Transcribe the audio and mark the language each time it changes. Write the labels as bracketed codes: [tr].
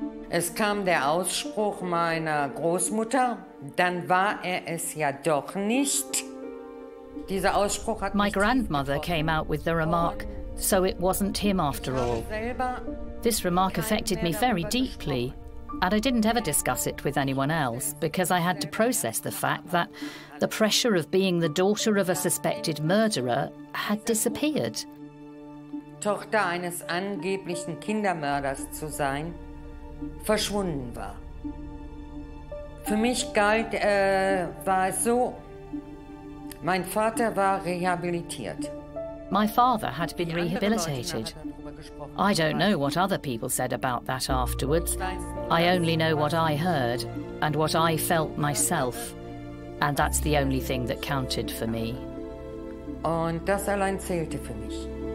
[de] Es kam der Ausspruch meiner Großmutter, dann war es ja doch nicht. Dieser Ausspruch hat [en] My grandmother came out with the remark, so it wasn't him after all. This remark affected me very deeply, and I didn't ever discuss it with anyone else because I had to process the fact that the pressure of being the daughter of a suspected murderer had disappeared. [de] Tochter eines angeblichen Kindermörders zu sein, verschwunden war. Für mich galt, war es so, mein Vater war rehabilitiert. [en] My father had been rehabilitated. I don't know what other people said about that afterwards. I only know what I heard and what I felt myself. And that's the only thing that counted for me. [de] Und das allein zählte für mich.